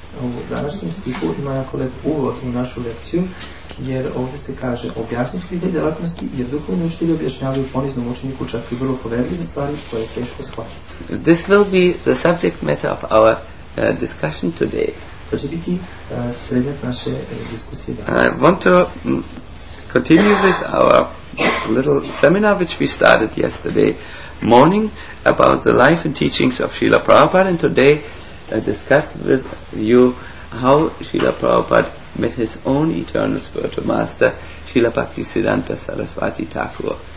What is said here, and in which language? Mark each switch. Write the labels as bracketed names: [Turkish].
[Serbian] U današnjem stihu ima jako lep uvod u našu lekciju, jer ovdje se kaže objasniš li te djelatnosti, jer duhovni učitelji objašnjavaju poniznom učeniku čak i vrlo poverljive stvari koje je teško shvatiti. [English] This will be the subject matter of our discussion today. [Serbian] To će biti predmet naše diskusije danas. [English] I want to continue with our little seminar which we started yesterday morning about the life and teachings of Srila Prabhupada, and today I discuss with you how Srila Prabhupada met his own eternal spiritual master, Srila Bhaktisiddhanta Saraswati Thakur.